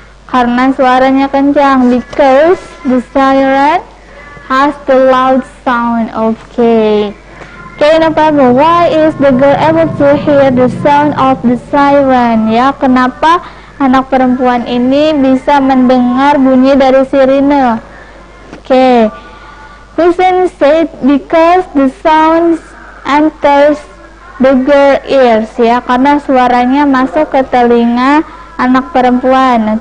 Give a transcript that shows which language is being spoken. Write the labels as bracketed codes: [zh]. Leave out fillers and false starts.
[id] Karena suaranya kencang. [en] Because the siren has the loud sound. Okay. Okay, no problem. Why is the girl able to hear the sound of the siren? [id] Ya, kenapa anak perempuan ini bisa mendengar bunyi dari sirene? [en] Okay. Husain said because the sounds enters the girl ears. [id] Ya, karena suaranya masuk ke telinga anak perempuan.